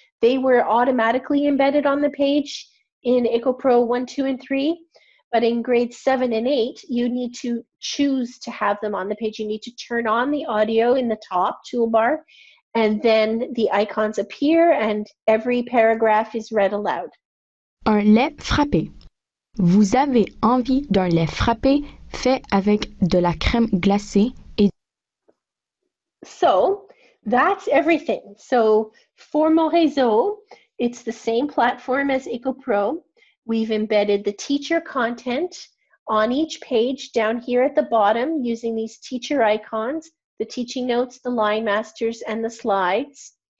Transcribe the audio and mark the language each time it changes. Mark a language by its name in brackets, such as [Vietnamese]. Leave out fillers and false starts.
[English] They were automatically embedded on the page in Echo Pro 1, 2, and 3. But in grades 7 and 8, you need to choose to have them on the page. You need to turn on the audio in the top toolbar, and then the icons appear, and every paragraph is read aloud. [French] Un lait frappé. Vous avez envie d'un lait frappé fait avec de la crème glacée et... [English] So, that's everything. So, for Mon Réseau, it's the same platform as EcoPro. We've embedded the teacher content on each page down here at the bottom using these teacher icons, the teaching notes, the line masters, and the slides.